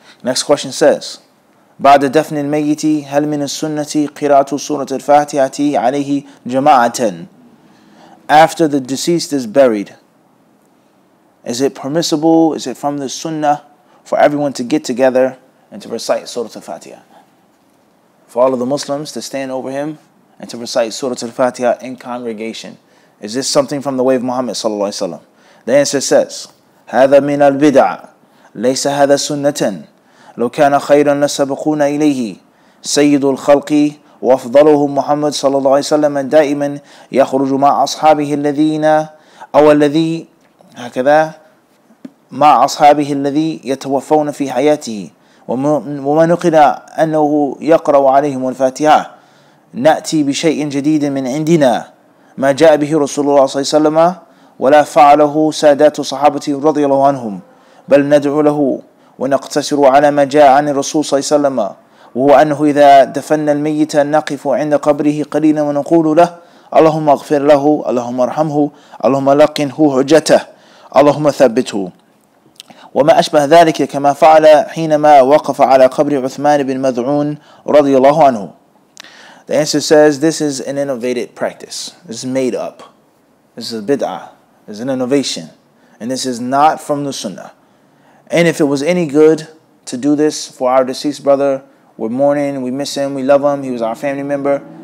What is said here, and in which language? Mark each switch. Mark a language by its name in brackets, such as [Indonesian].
[English] Next question says, [Arabic] بعد دفن الميت هل من السنة قراءة سورة الفاتحة عليه جماعة؟ [English] After the deceased is buried, is it permissible, is it from the sunnah for everyone to get together and to recite Surah Al-Fatiha? For all of the Muslims to stand over him and to recite Surah Al-Fatiha in congregation. Is this something from the way of Muhammad sallallahu alayhi wa sallam? The answer says, [Arabic] هَذَا مِنَ الْبِدْعَ لَيْسَ هَذَا سُنَّةً لَوْ كَانَ خَيْرًا لَسَبَقُونَ إِلَيْهِ سَيِّدُ الْخَلْقِ وأفضله محمد صلى الله عليه وسلم دائما يخرج مع أصحابه الذين أو الذي هكذا مع أصحابه الذي يتوفون في حياته وما نقل أنه يقرأ عليهم الفاتحة نأتي بشيء جديد من عندنا ما جاء به رسول الله صلى الله عليه وسلم ولا فعله سادات صحابته رضي الله عنهم بل ندعو له ونقتصر على ما جاء عن الرسول صلى الله عليه وسلم وهو أنه إذا دفن الميت نقف عند قبره قليلا ونقول له Allahumma aghfir lahu, Allahumma arhamhu, Allahumma laqinhu hujjatah, Allahumma thabbithu. وما أشبه ذلك كما فعل حينما وقف على قبر عثمان بن مذعون رضي الله عنه. [English] The answer says this is an innovated practice. This is made up. This is a bid'ah. This is an innovation. And this is not from the sunnah. And if it was any good to do this for our deceased brother, we're mourning, we miss him, we love him, he was our family member.